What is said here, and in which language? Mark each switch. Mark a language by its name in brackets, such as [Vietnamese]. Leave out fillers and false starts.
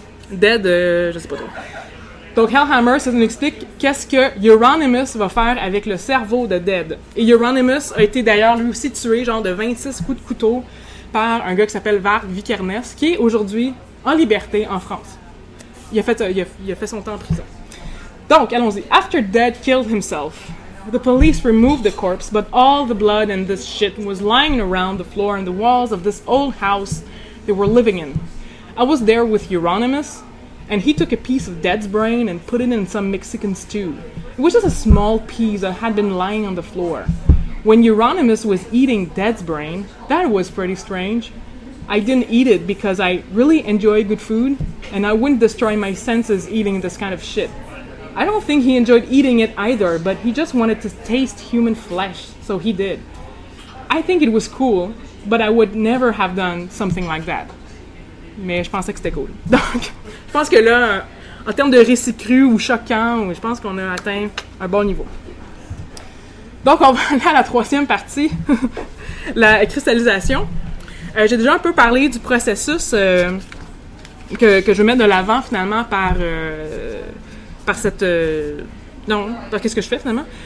[French] Dead, je sais pas trop. Donc, Hellhammer, ça nous explique qu'est-ce que Euronymous va faire avec le cerveau de Dead. Et Euronymous a été d'ailleurs lui aussi tué, genre de 26 coups de couteau, par un gars qui s'appelle Varg Vikernes, qui est aujourd'hui en liberté en France. Il a fait son temps en prison. Donc, allons-y. [English] After Dead killed himself, the police removed the corpse, but all the blood and this shit was lying around the floor and the walls of this old house they were living in. I was there with Euronymous, and he took a piece of Dead's brain and put it in some Mexican stew. It was just a small piece that had been lying on the floor. When Euronymous was eating Dead's brain, that was pretty strange. I didn't eat it because I really enjoy good food, and I wouldn't destroy my senses eating this kind of shit. I don't think he enjoyed eating it either, but he just wanted to taste human flesh, so he did. I think it was cool, but I would never have done something like that. [French] Mais je pensais que c'était cool. Donc, je pense que là, en termes de récit cru ou choquant, je pense qu'on a atteint un bon niveau. Donc, on va aller à la troisième partie, la cristallisation. J'ai déjà un peu parlé du processus que je vais mettre de l'avant, finalement, qu'est-ce que je fais, finalement?